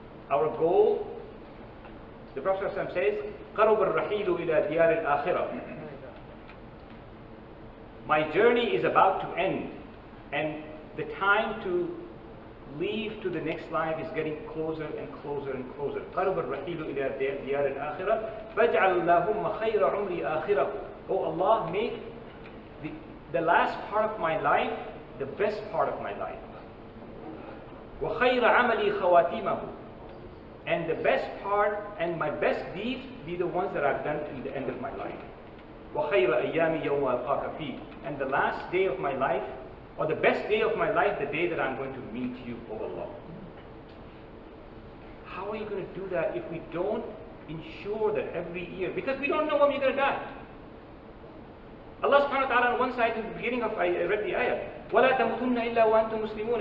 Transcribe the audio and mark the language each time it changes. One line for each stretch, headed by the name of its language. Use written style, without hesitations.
English: Our goal, the Prophet ﷺ says,
Arabic: قرب الرحيل إلى ديار الآخرة.
English: My journey is about to end, and the time to leave to the next life is getting closer and closer and closer.
Arabic: قرب الرحيل إلى ديار الآخرة. فاجعل اللهم خير عمري آخرة.
English: Oh Allah, make the last part of my life the best part of my life.
Arabic: وخير عملي خواتيمه.
English: And the best part and my best deeds be the ones that I've done in the end of my life.
Arabic: وخير أيامي يوم ألقاك فيه.
English: And the last day of my life, or the best day of my life, the day that I'm going to meet you, O Allah. How are you going to do that if we don't ensure that every year, because we don't know when you're going to die. Allah subhanahu wa ta'ala on one side, in the beginning of, I read the ayah,
Arabic: وَلَا تَمُتُنَّ إِلَّا وَأَنْتُمْ مُسْلِمُونَ.